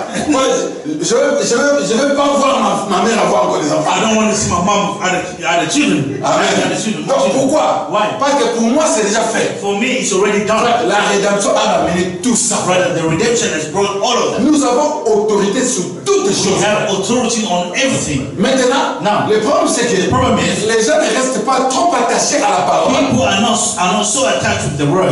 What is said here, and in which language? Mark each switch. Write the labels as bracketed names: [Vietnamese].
[French] Moi, je veux pas voir ma mère avoir encore des enfants. [English] I don't want to see my mom had a children. Amen. Had a children. [French] Donc, pourquoi? [English] Why? [French] Parce que pour moi, c'est déjà fait. [English] For me, it's already done. [French] La rédemption a amené tout ça. [English] Brother, the redemption has brought all of that. [French] Nous avons autorité sur toutes choses. [English] We have authority on everything. [French] Maintenant, [English] now, [French] le problème c'est que [English] the problem is, [French] les gens ne restent pas trop attachés à la parole. [English] People are not so attached with the word.